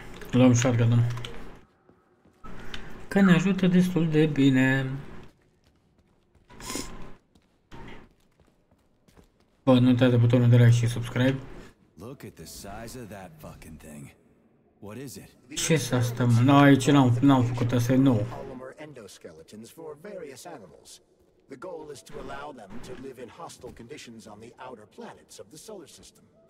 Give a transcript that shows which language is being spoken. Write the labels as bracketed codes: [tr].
[ro] Luăm shotgun-ul. Că ne ajută destul de bine. Bă, nu uitați de butonul de like și subscribe. [en] Look at the size of that fucking thing. What is it? [ro] Ce-s asta, mă? No, aici n-am făcut asta, e nou. [en] Endoskeletons for various animals. The goal is to allow them to live in hostile conditions on the outer planets of the solar system.